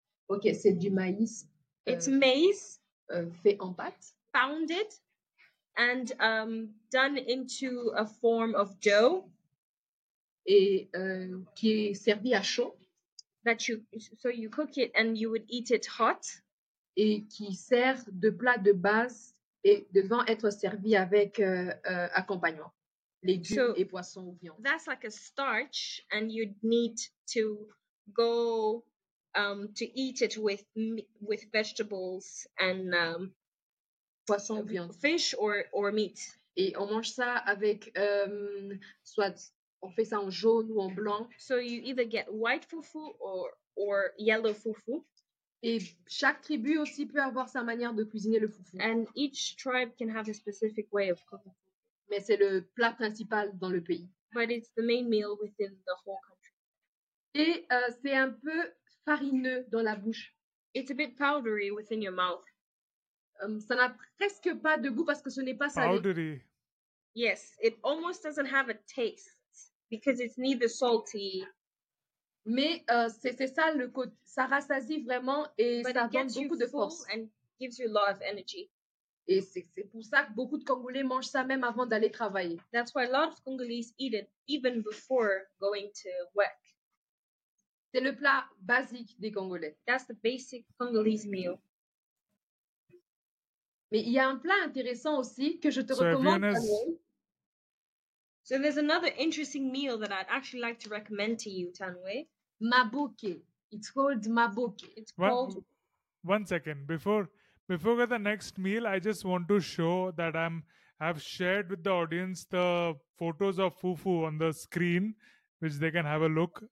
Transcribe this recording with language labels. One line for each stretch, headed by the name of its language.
French: Okay, c'est du maïs.
English: It's maize.
French: Fait en pâte.
English: Pounded. And done into a form of dough.
French: Et qui est servi à chaud.
English: That you, so you cook it and you would eat it hot.
French: Et qui sert de plat de base et devant être servi avec accompagnement. Légumes so et poissons ou viande.
English: That's like a starch and you'd need to go to eat it with vegetables and
French: poissons ou viande.
English: Fish or meat.
French: Et on mange ça avec soit... On fait ça en jaune ou en blanc.
English: So you either get white fufu or yellow fufu.
French: Et chaque tribu aussi peut avoir sa manière de cuisiner le fufu.
English: And each tribe can have a specific way of cooking.
French: Mais c'est le plat principal dans le pays.
English: But it's the main meal within the whole country.
French: Et c'est un peu farineux dans la bouche.
English: It's a bit powdery within your mouth.
French: Ça n'a presque pas de goût parce que ce n'est pas salé.
English: Powdery. Yes, it almost doesn't have a taste. Because it's neither salty.
French: Mais c'est ça le côté. Ça rassasie vraiment et
English: but
French: ça donne beaucoup de force.
English: And gives you a lot of energy.
French: Et c'est pour ça que beaucoup de Congolais mangent ça même avant d'aller travailler.
English: That's why a lot of Congolese eat it even before going to work.
French: C'est le plat basique des Congolais.
English: That's the basic Congolese meal.
French: Mais il y a un plat intéressant aussi que je te recommande.
English: So there's another interesting meal that I'd actually like to recommend to you, Tanwei. Maboke. It's called maboke. One second. Before the next meal, I just want to show that I've shared with the audience the photos of fufu on the screen, which they can have a look.